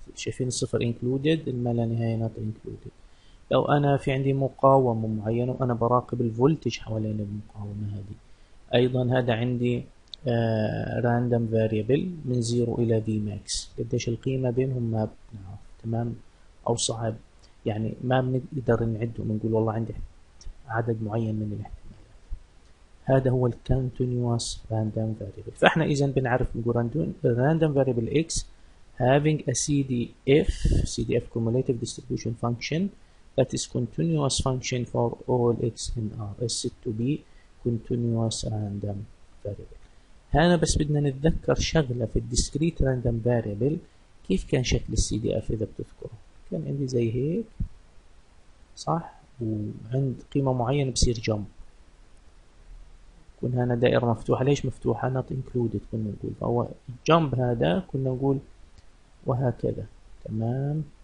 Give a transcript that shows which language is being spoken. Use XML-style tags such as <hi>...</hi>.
<ar>شايفين الصفر انكلودد، ما لا نهايه نوت انكلودد. لو انا في عندي مقاومه معينه وانا براقب الفولتج حوالين المقاومه هذه، ايضا هذا عندي راندوم فاريبل من 0 الى في ماكس، قديش القيمه بينهم ما بنعرف، تمام؟ او صعب، يعني ما بنقدر نعد ونقول والله عندي عدد معين من الاحتمالات. هذا هو الكونتينوس راندوم فاريبل. فاحنا اذا بنعرف نقول راندوم فاريبل اكس</ar> <en>having a CDF, CDF cumulative distribution function that is continuous function for all x in R, is it to be continuous random variable.</en> <ar>هنا بس بدنا نتذكر شغلة في الديسكريت random variable، كيف كان شكل CDF إذا بتذكره؟ كان عندي زي هيك صح، وعند قيمة معينة بصير جمب، كنا هنا دائرة مفتوحة. ليش مفتوحة؟</ar> <en>not included</en> <ar>كنا نقول، فهو الجمب هذا كنا نقول وهكذا تمام.</ar>